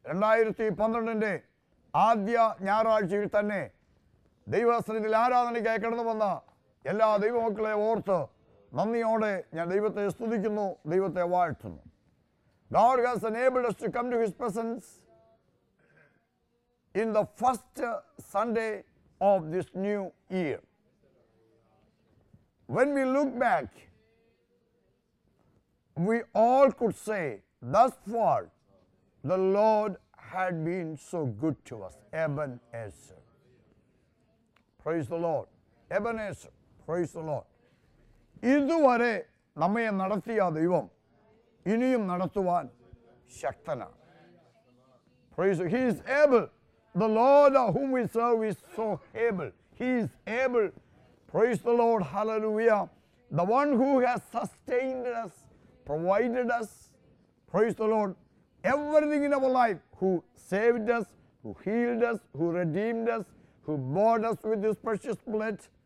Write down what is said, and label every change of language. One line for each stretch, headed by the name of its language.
Malayalam: 2012-ന്റെ ആദ്യ ഞായറാഴ്ചയിൽ തന്നെ ദൈവസന്നിധിയിൽ ആരാധനയ്ക്കായി കടന്നു വന്ന എല്ലാ ദൈവമക്കളെ ഓർത്ത് നന്ദിയോടെ ഞാൻ ദൈവത്തെ സ്തുതിക്കുന്നു, ദൈവത്തെ വാഴ്ത്തുന്നു.
English: God has enabled us to come to his presence in the first Sunday of this new year. When we look back, we all could say, thus far, the Lord had been so good to us. Ebenezer. Praise the Lord. Ebenezer. Praise the Lord.
Malayalam: ഇതുവരെ നമ്മെ നടത്തിയ ദൈവം ഇനിയും നടത്തുവാൻ ശക്തനാണ്.
English: Praise the Lord. He is able. The Lord whom we serve is so able. He is able. Praise the Lord. Hallelujah. The one who has sustained us, provided us. Praise the Lord. Everything in our life, who saved us, who healed us, who redeemed us, who bought us with his precious blood.